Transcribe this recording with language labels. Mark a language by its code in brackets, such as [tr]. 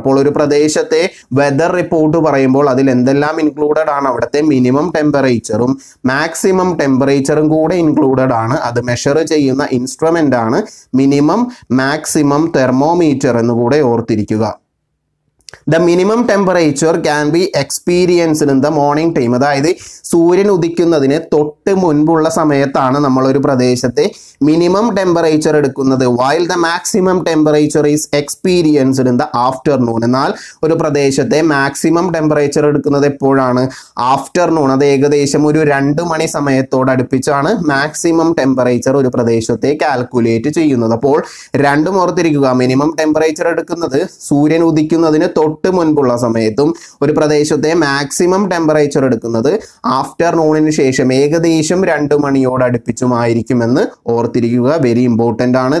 [ml] അപ്പോൾ ഒരു പ്രദേശത്തെ വെതർ റിപ്പോർട്ട് പറയുമ്പോൾ അതിൽ എന്തെല്ലാം ഇൻക്ലൂഡഡ് ആണ്, അവിടുത്തെ മിനിമം ടെമ്പറേച്ചറും മാക്സിമം ടെമ്പറേച്ചറും കൂടെ ഇൻക്ലൂഡഡ് ആണ്. അത് മെഷർ ചെയ്യുന്ന ഇൻസ്ട്രുമെൻ്റ് ആണ് മിനിമം മാക്സിമം തെർമോമീറ്റർ എന്ന് കൂടെ ഓർത്തിരിക്കുക. [en] The minimum temperature can be experienced in the morning time. [ml] അതായത് സൂര്യൻ ഉദിക്കുന്നതിന് തൊട്ട് മുൻപുള്ള സമയത്താണ് നമ്മളൊരു പ്രദേശത്തെ മിനിമം ടെമ്പറേച്ചർ എടുക്കുന്നത്. [en] While the maximum temperature is experienced in the afternoon. [ml] എന്നാൽ ഒരു പ്രദേശത്തെ മാക്സിമം ടെമ്പറേച്ചർ എടുക്കുന്നത് എപ്പോഴാണ്, ആഫ്റ്റർനൂൺ. അത് ഏകദേശം ഒരു 2 മണി സമയത്തോടടുപ്പിച്ചാണ് മാക്സിമം ടെമ്പറേച്ചർ ഒരു പ്രദേശത്തെ കാൽക്കുലേറ്റ് ചെയ്യുന്നത്. അപ്പോൾ രണ്ടും ഓർത്തിരിക്കുക, മിനിമം ടെമ്പറേച്ചർ എടുക്കുന്നത് സൂര്യൻ ഉദിക്കുന്നതിന് തൊട്ട് മുൻപുള്ള സമയത്തും ഒരു പ്രദേശത്തെ മാക്സിമം ടെമ്പറേച്ചർ എടുക്കുന്നത് ആഫ്റ്റർനൂണിന് ശേഷം ഏകദേശം 2 മണിയോടടുപ്പിച്ചുമായിരിക്കുമെന്ന് ഓർത്തിരിക്കുക. [en] very important [ml] ആണ്.